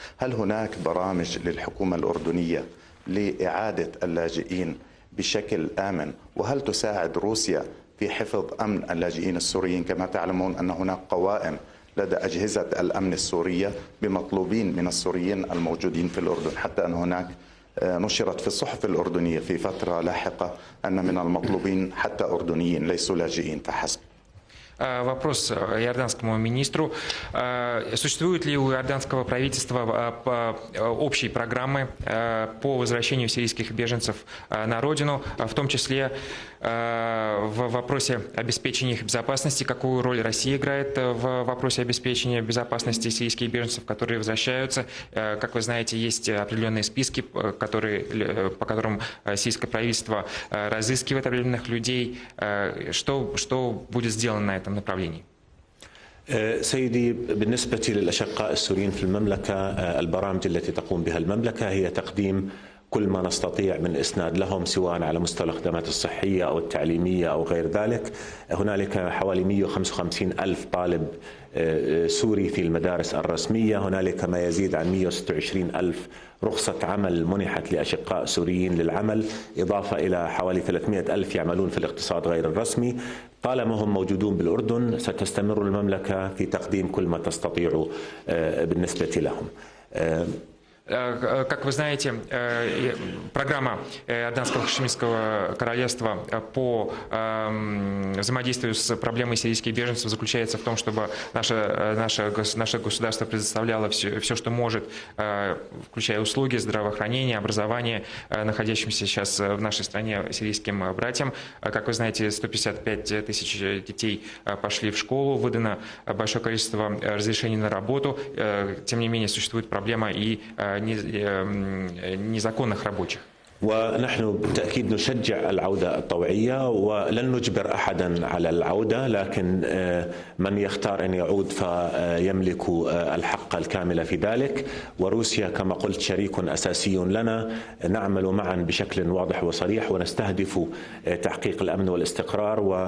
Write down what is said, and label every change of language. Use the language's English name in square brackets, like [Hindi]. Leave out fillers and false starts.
[Arabic] هل هناك برامج للحكومة الأردنية لإعادة اللاجئين بشكل آمن؟ وهل تساعد روسيا في حفظ أمن اللاجئين السوريين؟ كما تعلمون أن هناك قوائم لدى أجهزة الأمن السورية بمطلوبين من السوريين الموجودين في الأردن، حتى أن هناك نشرت في الصحف الأردنية في فترة لاحقة أن من المطلوبين حتى أردنيين ليسوا لاجئين فحسب. [Russian] Вопрос иорданскому министру. Существуют ли у иорданского правительства общие программы по возвращению сирийских беженцев на родину, в том числе в вопросе обеспечения их безопасности? Какую роль Россия играет в вопросе обеспечения безопасности сирийских беженцев, которые возвращаются? Как вы знаете, есть определенные списки, по которым сирийское правительство разыскивает определенных людей. Что будет сделано на этом направлении? [Arabic] سيدي بالنسبة للأشقاء السوريين في المملكة البرامج التي تقوم بها المملكة هي تقديم كل ما نستطيع من إسناد لهم سواء على مستوى الخدمات الصحية أو التعليمية أو غير ذلك. هنالك حوالي 155 ألف طالب سوري في المدارس الرسمية، هنالك ما يزيد عن 126 ألف رخصة عمل منحت لأشقاء سوريين للعمل، إضافة إلى حوالي 300 ألف يعملون في الاقتصاد غير الرسمي. طالما هم موجودون بالأردن ستستمر المملكة في تقديم كل ما تستطيع بالنسبة لهم. [Russian] Как вы знаете, программа Иорданского Хашимитского Королевства по взаимодействию с проблемой сирийских беженцев заключается в том, чтобы наше государство предоставляло все, что может, включая услуги, здравоохранение, образование находящимся сейчас в нашей стране сирийским братьям. Как вы знаете, 155 тысяч детей пошли в школу, выдано большое количество разрешений на работу. Тем не менее, существует проблема и незаконных рабочих. [Arabic] ونحن بالتأكيد نشجع العودة الطوعية ولن نجبر أحدا على العودة، لكن من يختار أن يعود فيملك الحق الكامل في ذلك. وروسيا كما قلت شريك أساسي لنا، نعمل معا بشكل واضح وصريح ونستهدف تحقيق الأمن والاستقرار.